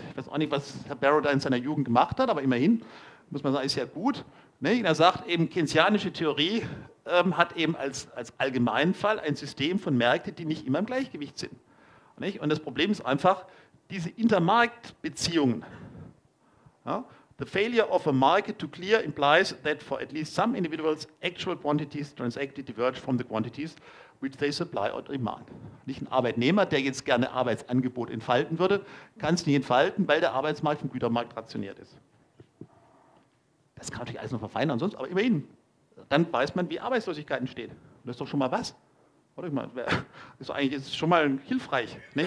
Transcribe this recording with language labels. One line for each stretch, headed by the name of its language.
German: Ich weiß auch nicht, was Herr Barrow da in seiner Jugend gemacht hat, aber immerhin, muss man sagen, ist ja gut. Er sagt eben, keynesianische Theorie hat eben als Allgemeinfall ein System von Märkten, die nicht immer im Gleichgewicht sind. Und das Problem ist einfach, diese Intermarktbeziehungen.
English: The failure of a market to clear implies that for at least some individuals, actual quantities transacted diverge from the quantities which they supply or demand.
German: Nicht ein Arbeitnehmer, der jetzt gerne Arbeitsangebot entfalten würde, kann es nicht entfalten, weil der Arbeitsmarkt vom Gütermarkt rationiert ist. Das kann natürlich alles noch verfeinern, sonst, aber immerhin, dann weiß man, wie Arbeitslosigkeit entsteht. Und das ist doch schon mal was. Warte mal, ist schon mal hilfreich. Ne?